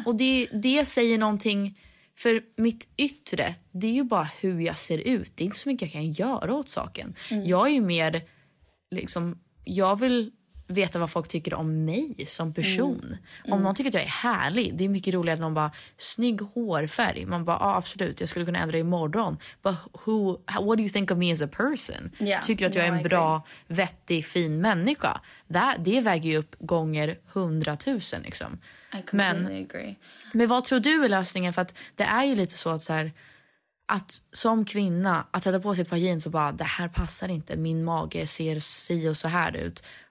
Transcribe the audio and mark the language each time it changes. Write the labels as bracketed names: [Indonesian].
[Swedish] Och det säger någonting, för mitt yttre, det är ju bara hur jag ser ut. Det är inte så mycket jag kan göra åt saken. Mm. Jag är ju mer, liksom, jag vill veta vad folk tycker om mig som person. Mm. Om någon tycker att jag är härlig, det är mycket roligare än någon bara snygg hårfärg. Man bara, ah, absolut, jag skulle kunna ändra imorgon. [English] But who, what do you think of me as a person? Yeah. [Swedish] Tycker att jag är en bra, vettig, fin människa? Det väger ju upp gånger 100 000, liksom. [English] I completely agree. [Swedish] Men vad tror du är lösningen? För att det är ju lite så att så här, att som kvinna, att sätta på sig ett par jeans och bara, det här passar inte, min mage ser si och så här ut.